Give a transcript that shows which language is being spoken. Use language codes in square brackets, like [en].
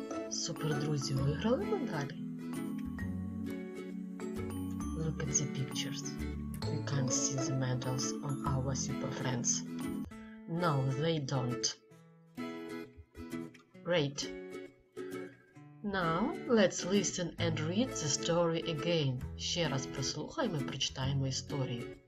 [uk] Супер друзі виграли медалі? [en] Look at the pictures. You can't see the medals on our super friends. No, they don't. Great. Now let's listen and read the story again. [uk] Ще раз прослухаємо і прочитаємо історію.